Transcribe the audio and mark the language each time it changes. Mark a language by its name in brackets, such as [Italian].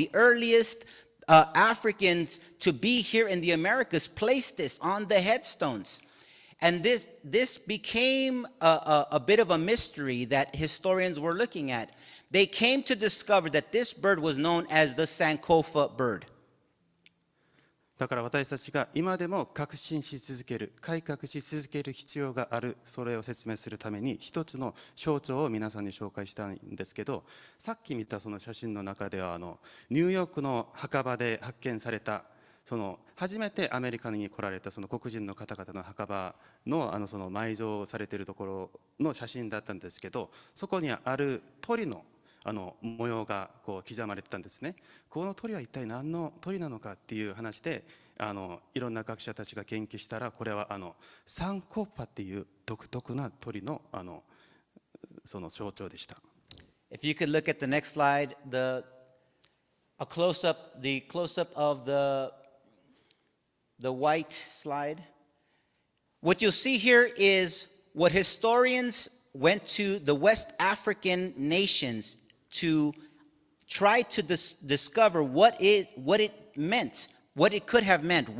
[English] The earliest Africans to be here in the Americas placed this on the headstones. And this became a bit of a mystery that historians were looking at. They came to discover that this bird was known as the Sankofa bird. [Japanese] だから私たちが今でも確信し続ける、改革し続ける必要がある、それを説明するために一つの象徴を皆さんに紹介したいんですけど、さっき見たその写真の中ではニューヨークの墓場で発見された、その初めてアメリカに来られたその黒人の方々の墓場 の, その埋蔵されているところの写真だったんですけど、そこにある鳥 の, 模様がこう刻まれてたんですね。この鳥は一体何の鳥なのかっていう話で、いろんな学者たちが研究したら、これはサンコッパっていう独特な鳥 の, その象徴でした。 [English] If you could look at the next slide, the close up of the white slide. What you'll see here is what historians went to the West African nations to try to discover what it meant, what it could have meant.